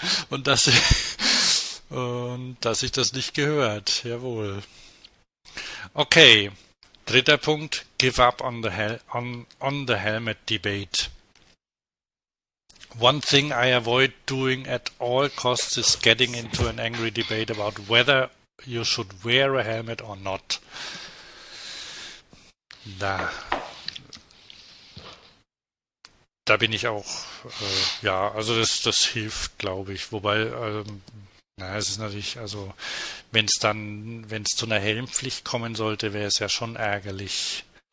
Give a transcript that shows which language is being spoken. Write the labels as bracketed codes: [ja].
[de] Und dass sich das nicht gehört. Jawohl. Okay. Dritter Punkt. [en] Give up on the helmet debate. One thing I avoid doing at all costs is getting into an angry debate about whether you should wear a helmet or not. [de] Da bin ich auch, ja, also das hilft, glaube ich. Wobei, na, es ist natürlich, also wenn es zu einer Helmpflicht kommen sollte, wäre es ja schon ärgerlich.